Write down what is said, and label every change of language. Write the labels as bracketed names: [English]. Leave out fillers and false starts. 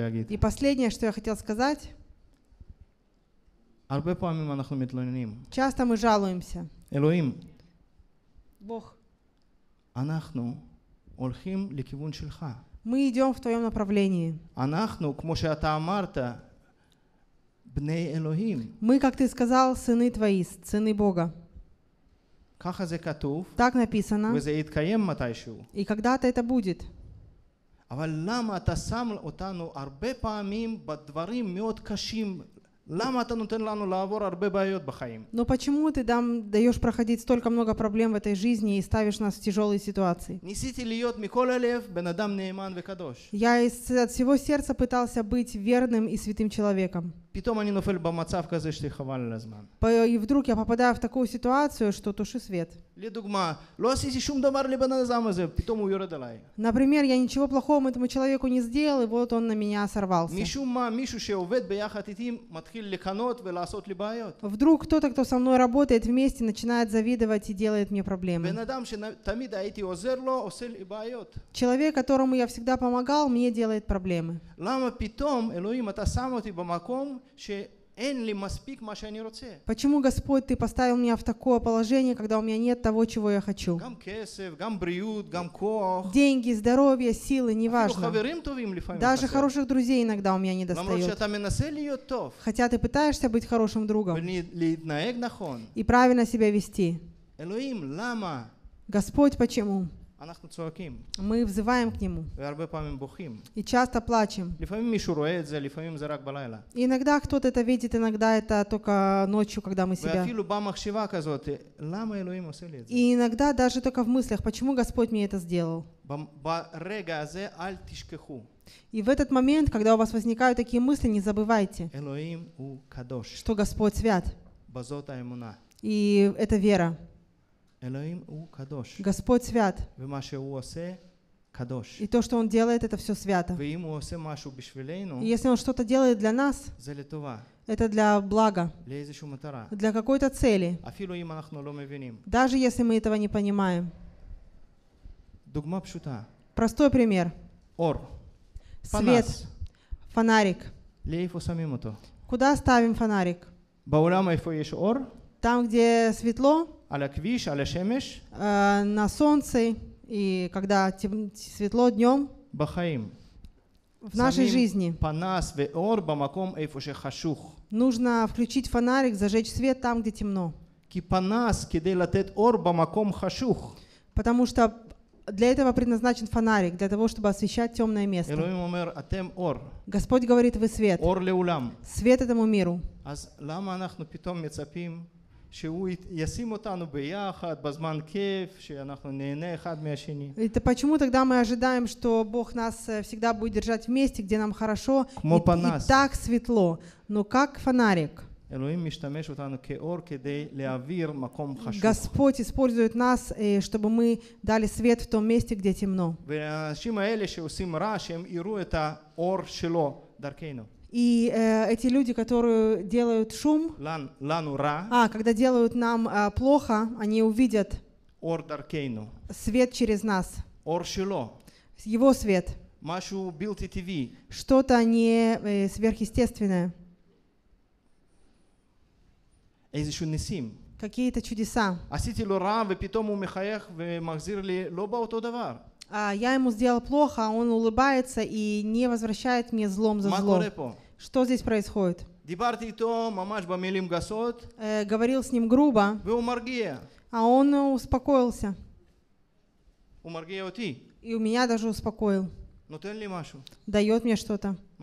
[Russian] И последнее, что я хотел сказать. [Hebrew] הרבה פעמים אנחנו מתלוננים. [Russian] Часто мы жалуемся. [Hebrew] Элоим. [Russian] Бог. [Hebrew] אנחנו הולכים לכיוון שלך. [Russian] Мы идем в твоем направлении. [Hebrew] אנחנו, כמו שאתה אמרת, בני אלוהים. [Russian] Мы, как ты сказал, сыны твои, сыны Бога. [Hebrew] ככה זה כתוב. [Russian] Так написано. [Hebrew] וזה יתקיים מתישהו. [Russian] И когда-то это будет. [Hebrew] אבל למה אתה שם אותנו הרבה פעמים בדברים מאוד קשים? למה אתה נותן לנו לעבור הרבה בעיות בחיים? [Russian] Но почему ты там даешь проходить столько много проблем в этой жизни и ставишь нас в тяжелые ситуации? [Hebrew] ניסיתי להיות מכל הלב בן אדם נאמן וקדוש. [Russian] Я от всего сердца пытался быть верным и святым человеком. [Hebrew] פתאום אני נופל במצב כזה שחבל על הזמן. [Russian] И вдруг я попадаю в такую ситуацию, что туши свет. [Hebrew] לדוגמה, לא עשיתי שום דבר לבן אדם הזה, פתאום הוא יורד עליי. [Russian] Например, я ничего плохого этому человеку не сделал, и вот он на меня сорвался. [Hebrew] משום מה, מישהו שעובד ביחד איתי מתחיל לקנות ולעשות לי בעיות. [Russian] Вдруг кто-то, кто со мной работает вместе, начинает завидовать и делает мне проблемы. [Hebrew] בן אדם שתמיד הייתי עוזר לו, עושה לי בעיות. [Russian] Человек, которому я всегда помогал, мне делает проблемы. [Hebrew] למה פתאום, אלוהים, אתה שם אותי במקום שאין לי מספיק מה שאני רוצה? [Russian] Почему, Господь, ты поставил меня в такое положение, когда у меня нет того, чего я хочу? [Hebrew] גם כסף, גם בריאות, גם כוח. [Russian] Деньги, здоровье, силы, неважно. [Hebrew] אפילו חברים טובים לפעמים. [Russian] Даже хороших друзей иногда у меня не достает. [Hebrew] למרות שאתה מנסה להיות טוב. [Russian] Хотя ты пытаешься быть хорошим другом. [Hebrew] ולהתנהג נכון. [Russian] И правильно себя вести. [Hebrew] אלוהים, למה? [Russian] Господь, почему? [Hebrew] אנחנו צועקים. [Russian] Мы взываем к нему. [Hebrew] והרבה פעמים בוכים. [Russian] И часто плачем. [Hebrew] לפעמים מישהו רואה את זה, לפעמים זה רק בלילה. [Russian] Иногда кто-то это видит, иногда это только ночью, когда мы себя. [Hebrew] ואפילו במחשבה כזאת, למה אלוהים עושה לי את זה? [Russian] И иногда даже только в мыслях, почему Господь мне это сделал? [Hebrew] ברגע הזה אל תשכחו. [Russian] И в этот момент, когда у вас возникают такие мысли, не забывайте. [Hebrew] אלוהים הוא קדוש. [Russian] Что Господь свят. [Hebrew] בזאת האמונה. [Russian] И это вера. [Hebrew] אלוהים הוא קדוש. [Russian] Господь свят. [Hebrew] ומה שהוא עושה, קדוש. [Russian] И то, что он делает, это все свято. [Hebrew] ואם הוא עושה משהו בשבילנו, [Russian] и если он что-то делает для нас, [Hebrew] זה לטובה. [Russian] Это для блага. [Hebrew] לאיזושהי מטרה. [Russian] Для какой-то цели. [Hebrew] אפילו אם אנחנו לא מבינים. [Russian] Даже если мы этого не понимаем. [Hebrew] דוגמה פשוטה. [Russian] Простой пример. [Hebrew] אור. [Russian] Свет. Фонарик. [Hebrew] לאיפה שמים אותו? [Russian] Куда ставим фонарик? [Hebrew] בעולם איפה יש אור? [Russian] Там, где светло. [Hebrew] על הכביש, על השמש. [Russian] На солнце, и когда светло днем. [Hebrew] בחיים. [Russian] В нашей жизни. [Hebrew] פנס ואור במקום איפה שחשוך. [Russian] Нужно включить фонарик, зажечь свет там, где темно. [Hebrew] כי פנס כדי לתת אור במקום חשוך. [Russian] Потому что для этого предназначен фонарик, для того, чтобы освещать темное место. [Hebrew] אלוהים אומר, אתם אור. [Russian] Господь говорит, вы свет. [Hebrew] אור לעולם. [Russian] Свет этому миру. [Hebrew] אז למה אנחנו פתאום מצפים שהוא ישים אותנו ביחד בזמן כיף, שאנחנו נהנה אחד מהשני? [Russian] Это почему тогда мы ожидаем, что Бог нас всегда будет держать вместе, где нам хорошо, [Hebrew] כמו [Russian] и, [Hebrew] פנס. [Russian] И так светло, но как фонарик? [Hebrew] אלוהים משתמש אותנו כאור כדי להעביר מקום חשוך. [Russian] Господь использует нас, чтобы мы дали свет в том месте, где темно. [Hebrew] ואנשים האלה שעושים רע, שהם יראו את האור שלו דרכנו. [Russian] И эти люди, которые делают шум, когда делают нам плохо, они увидят [Hebrew] אור דרכנו. [Russian] Свет через нас. [Hebrew] אור שלו. [Russian] Его свет. [Hebrew] משהו בלתי טבעי. [Russian] Что-то не сверхъестественное. [Hebrew] איזשהו ניסים. [Russian] Какие-то чудеса. [Hebrew] עשיתי לו רע ופתאום הוא מחייך ומחזיר לי לא באותו דבר. [Russian] Я ему сделал плохо, а он улыбается и не возвращает мне злом за зло. Что здесь происходит? Говорил с ним грубо, а он успокоился. И у меня даже успокоил. Дает мне что-то.